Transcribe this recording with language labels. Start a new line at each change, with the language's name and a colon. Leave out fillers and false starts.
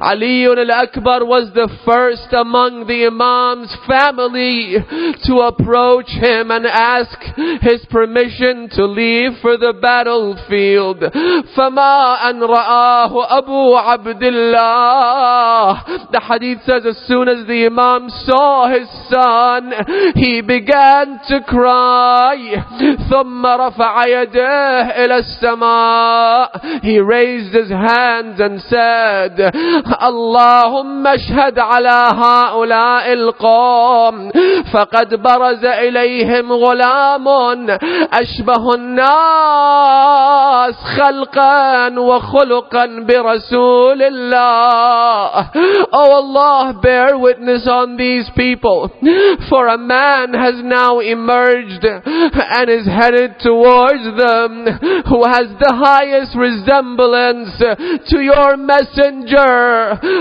English: Ali al-Akbar was the first among the Imam's family to approach him and ask his permission to leave for the battlefield.
Arabic: فَمَا أَنْ رَآهُ أَبُو عَبْدِ اللَّهِ.
English: The hadith says, as soon as the Imam saw his son, he began to cry.
Arabic: ثُمَّ رَفَعَ يَدَهُ إِلَى السَّمَاءِ.
English: He raised his hands and said,
Arabic: "اللهم اشهد على هؤلاء القوم فقد برز إليهم غلام أشبه الناس خلقا وخلقا برسول الله."
English: Oh Allah, bear witness on these people, for a man has now emerged and is headed towards them who has the highest resemblance to your messenger.